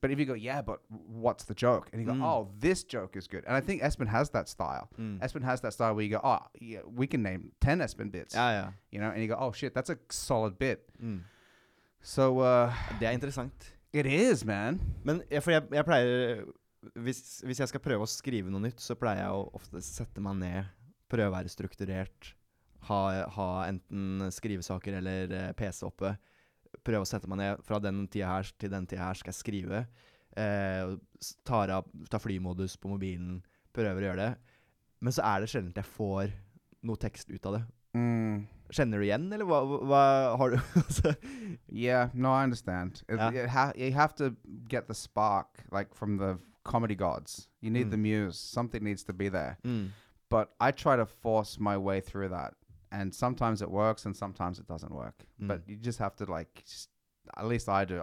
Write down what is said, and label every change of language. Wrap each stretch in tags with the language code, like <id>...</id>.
<en>But if you go, yeah, but what's the joke? And you go, oh, this joke is good. And I think Espen has that style. Espen has that style where you go, oh, yeah, we can name 10 Espen bits.</en> <no>Ja, ja.</no> <en>You know, and you go, oh, shit, that's a solid bit. So,</en> <no>Det interessant.</no> <en>It is, man.</en> <no>Men, ja, for jeg pleier, hvis jeg skal prøve å skrive noe nytt, så pleier jeg å ofte sette meg ned, prøve å være strukturert, ha enten skrivesaker eller PC oppe, prøve å sette meg ned fra den tiden her til den tiden her skal jeg skrive, ta flymodus på mobilen, prøve å gjøre det. Men så det sjeldent jeg får noe tekst ut av det. Kjenner du igjen, eller hva har du?</no> <en>Yeah, no, I understand. You have to get the spark, like, from the comedy gods. You need the muse. Something needs to be there. But I try to force my way through that. And sometimes it works, and sometimes it doesn't work. But you just have to, like, at least I do.</en>